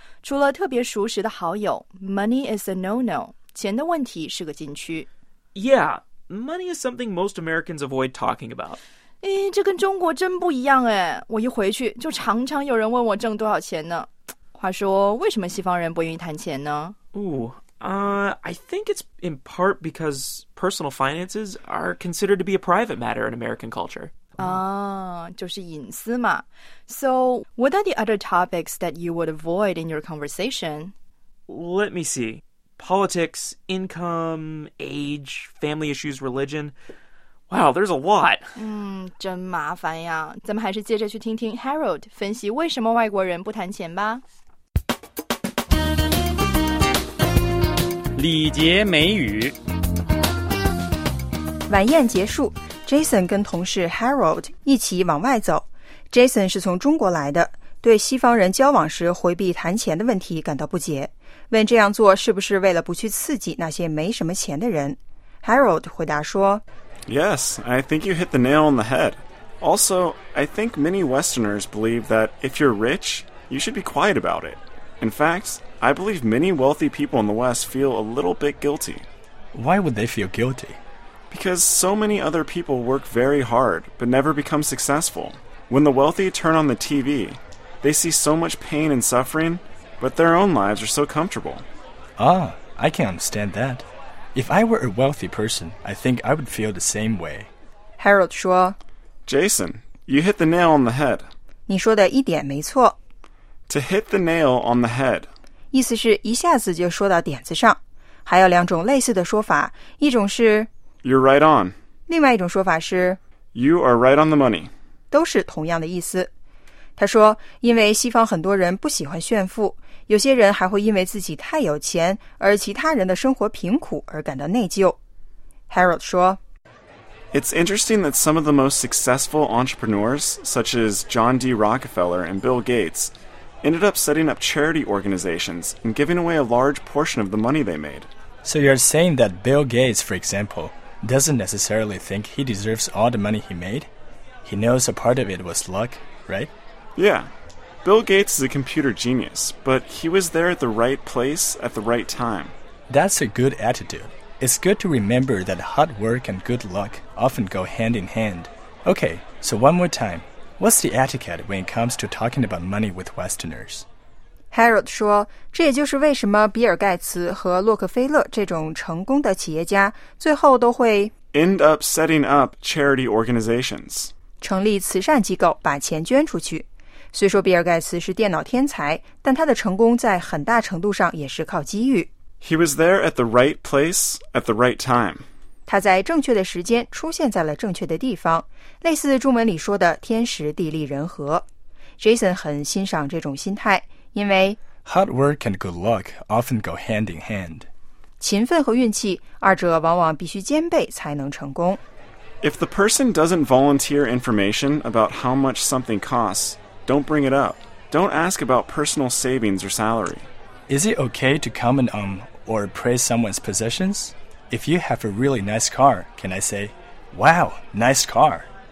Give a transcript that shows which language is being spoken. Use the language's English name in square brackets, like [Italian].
[Chinese] 除了特别熟识的好友， [English] money is a no-no， [Chinese] 钱的问题是个禁区。 [English] Yeah， money is something most Americans avoid talking about。 [Chinese] 哎，这跟中国真不一样哎！我一回去就常常有人问我挣多少钱呢。话说，为什么西方人不愿意谈钱呢？ [English] Ooh, I think it's in part because personal finances are considered to be a private matter in American culture. [Chinese] 啊，就是隐私嘛。 [English] So, what are the other topics that you would avoid in your conversation? Let me see. Politics, income, age, family issues, religion. Wow, there's a lot. [Chinese] 真麻烦呀。咱们还是接着去听听 Harold 分析为什么外国人不谈钱吧。礼节美语。晚宴结束， Jason 跟同事 Harold 一起往外走。 Jason 是从中国来的，对西方人交往时回避谈钱的问题感到不解，问这样做是不是为了不去刺激那些没什么钱的人。 Harold 回答说， [English] Yes, I think you hit the nail on the head. Also, I think many Westerners believe that if you're rich, you should be quiet about it. In fact, I believe many wealthy people in the West feel a little bit guilty. Why would they feel guilty? Because so many other people work very hard, but never become successful. When the wealthy turn on the TV, they see so much pain and suffering, but their own lives are so comfortable. Ah, I can understand that. If I were a wealthy person, I think I would feel the same way. [Chinese] Harold 说， [English] Jason, you hit the nail on the head. [Chinese] 你说的一点没错。 [English] To hit the nail on the head. [Chinese] 意思是一下子就说到点子上。还有两种类似的说法，一种是 [English] You're right on. [Chinese] 另外一种说法是 [English] You are right on the money. [Chinese] 都是同样的意思。他说，因为西方很多人不喜欢炫富，有些人还会因为自己太有钱而其他人的生活贫苦而感到内疚。 Harold 说， [English] It's interesting that some of the most successful entrepreneurs such as John D. Rockefeller and Bill Gates ended up setting up charity organizations and giving away a large portion of the money they made. So you're saying that Bill Gates, for example, doesn't necessarily think he deserves all the money he made? He knows a part of it was luck, right? Yeah, Bill Gates is a computer genius, but he was there at the right place at the right time. That's a good attitude. It's good to remember that hard work and good luck often go hand in hand. Okay, so one more time. What's the etiquette when it comes to talking about money with Westerners? [Chinese] Harold 说，这也就是为什么比尔盖茨和洛克菲勒这种成功的企业家最后都会 [English] end up setting up charity organizations. [Chinese] 成立慈善机构，把钱捐出去。虽说比尔盖茨是电脑天才，但他的成功在很大程度上也是靠机遇。 [English] He was there at the right place at the right time. [Chinese] 他在正确的时间出现在了正确的地方，类似中文里说的天时地利人和。 Jason 很欣赏这种心态，因为 [English] Hard work and good luck often go hand in hand. [Chinese] 勤奋和运气，二者往往必须兼备才能成功。 [English] If the person doesn't volunteer information about how much something costs,Don't bring it up. Don't ask about personal savings or salary. Is it okay to comment on or praise someone's possessions? If you have a really nice car, can I say, Wow, nice car?